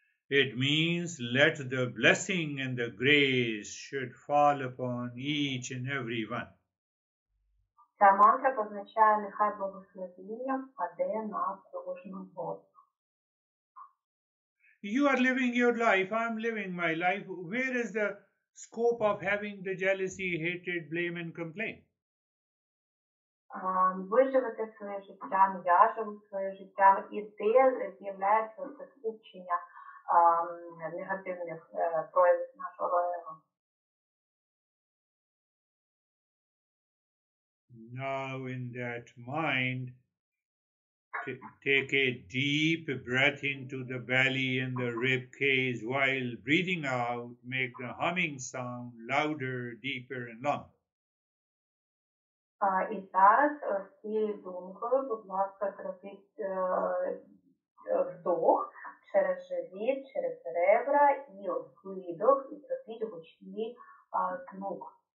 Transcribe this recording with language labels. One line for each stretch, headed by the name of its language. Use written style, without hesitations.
English: It means let the blessing and the grace should fall upon each and every one.
Ukrainian: Ця мантра означає нехай благословіння впаде на кожну голову.
English: You are living your life, I'm living my life. Where is the scope of having the jealousy, hatred, blame and complaint?
Ukrainian: Ви живете своє життя, я живу своє життя, і де з'являється це скупчення негативних проявів нашого ега.
English: Now in that mind, take a deep breath into the belly and the rib cage. While breathing out, make the humming sound louder, deeper, and longer.
Ukrainian: І зараз всією думкою, будь ласка, зробіть вдох через живіт, через ребра і видих і зробіть гучний звук.